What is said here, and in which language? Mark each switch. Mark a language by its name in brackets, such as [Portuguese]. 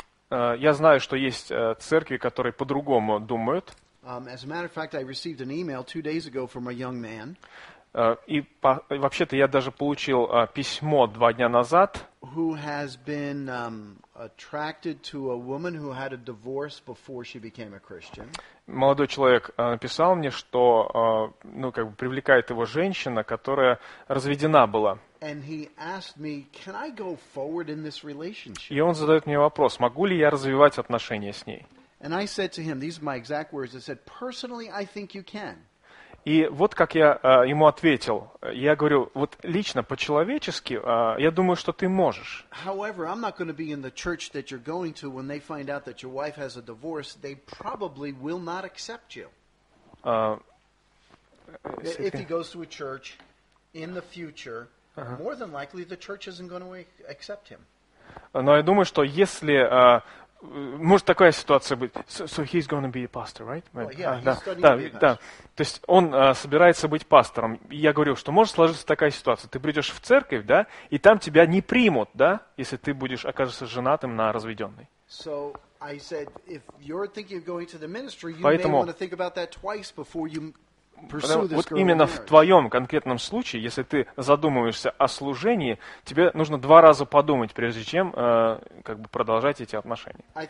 [Russian] Я знаю, что есть церкви, которые по-другому думают. [English] As a matter of fact, I received an email 2 days ago from a young man. [Russian] Вообще-то я даже получил письмо 2 дня назад. [English] Who has been attracted to a woman who had a divorce before she became a Christian? [Russian] Молодой человек написал мне, что привлекает его женщина, которая разведена была. [English] And he asked me, "Can I go forward in this relationship?" [Russian] И он задает мне вопрос: могу ли я развивать отношения с ней? [English] And I said to him, these are my exact words, I said, personally, I think you can. [Russian] И вот как я ему ответил. Я говорю, вот лично, по-человечески, я думаю, что ты можешь. [English] However, I'm not going to be in the church that you're going to when they find out that your wife has a divorce, they probably will not accept you. If he goes to a church in the future, more than likely the church isn't going to accept him. [Russian] Но я думаю, что если... Может такая ситуация быть? [English] So he's going to be a pastor, right? Well, yeah, he's going to be a pastor. [Russian] То есть он собирается быть пастором. Я говорю, что может сложиться такая ситуация. Ты придешь в церковь, да, и там тебя не примут, да, если ты будешь окажешься женатым на разведенной. [English] So I said, if you're thinking of going to the ministry, you may want to think about that twice before you pursue this girl. [Russian] Вот именно в твоем конкретном случае, если ты задумываешься о служении, тебе нужно 2 раза подумать, прежде чем продолжать эти отношения.